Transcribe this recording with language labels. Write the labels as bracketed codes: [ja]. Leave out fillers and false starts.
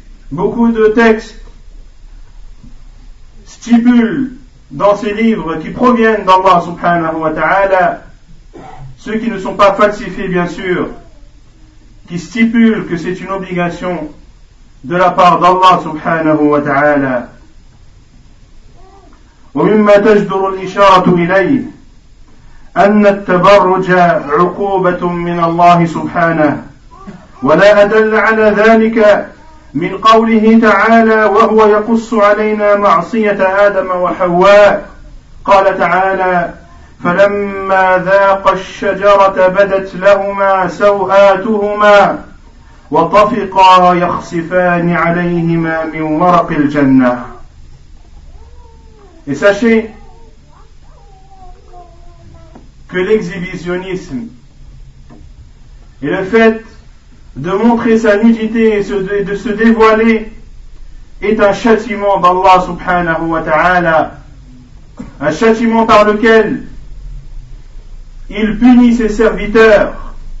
[fr] Beaucoup de textes stipulent dans ces livres qui proviennent d'Allah subhanahu wa ta'ala, ceux qui ne sont pas falsifiés bien sûr, qui stipulent que c'est une obligation de la part d'Allah subhanahu wa ta'ala. [ar] ومما تجدر الإشارة إليه أن التبرج عقوبة من الله سبحانه ولا أدل على ذلك من قوله تعالى وهو يقص علينا معصية آدم وحواء قال تعالى فلما ذاق الشجرة بدت لهما سوآتهما وطفقا يخصفان عليهما من ورق الجنة. [fr] Et sachez que l'exhibitionnisme et le fait de montrer sa nudité et de se dévoiler est un châtiment d'Allah subhanahu wa ta'ala, un châtiment par lequel il punit ses serviteurs.